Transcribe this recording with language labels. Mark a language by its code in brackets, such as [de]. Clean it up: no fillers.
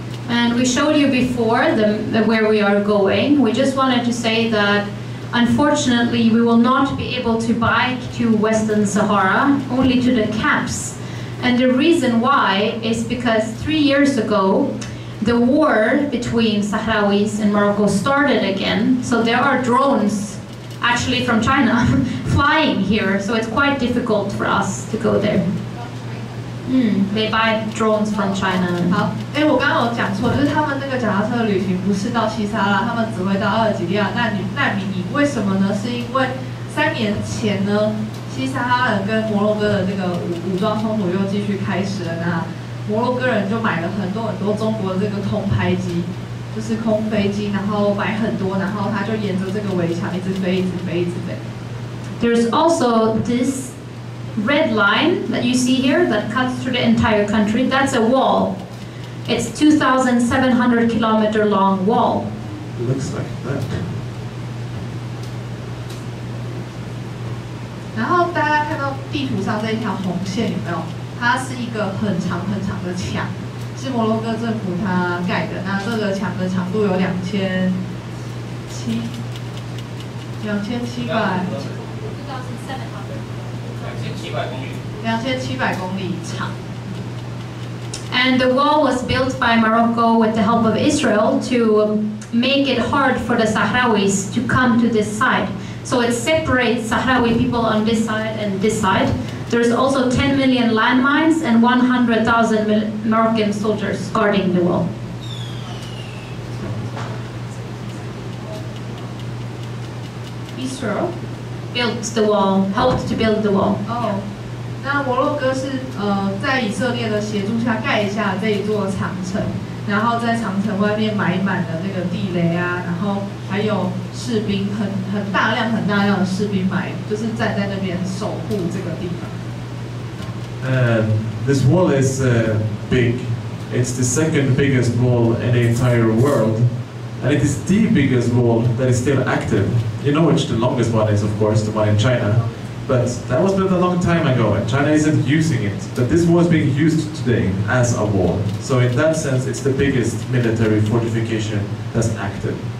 [en] And we showed you before the where we are going. We just wanted to say that unfortunately we will not be able to bike to Western Sahara, only to the camps. And the reason why is because 3 years ago,The war between Sahrawis and Morocco started again, so there are drones, actually from China, flying here, so it's quite difficult for us to go there. They buy drones from China. [zh] 好，我刚刚有讲错，就是他们那个脚踏车旅行不是到西撒拉，他们只会到阿尔及利亚难民营。为什么呢？是因为三年前呢，西撒拉人跟摩洛哥的那个武装冲突又继续开始了呢。摩洛哥人就买了很多中国的这个空拍机，就是空飞机，然后买很多，然后他就沿着这个围墙一直飞。 [en] There's also this red line that you see here that cuts through the entire country. That's a wall. It's 2,700 kilometer long wall. Looks like that. [zh] 然后大家看到地图上这一条红线有没有？它是一个很长很长的墙，是摩洛哥政府它盖的。那这个墙的长度有2700公里长。 [en] And the wall was built by Morocco with the help of Israel to make it hard for the Sahrawis to come to this side. So it separates Sahrawi people on this side and this side. There's also 10 million landmines and 100,000 American soldiers guarding the wall. 以色列 helped to build the wall. [zh] 那摩洛哥是在以色列的协助下盖下这一座长城，然后在长城外面埋满了那个地雷啊，然后还有士兵很大量的士兵埋，就是站在那边守护这个地方。 [en] This wall is big. It's the second biggest wall in the entire world. And it is the biggest wall that is still active. You know which the longest one is, of course, the one in China. But that was built a long time ago and China isn't using it. But this wall is being used today as a wall. So in that sense, it's the biggest military fortification that's active.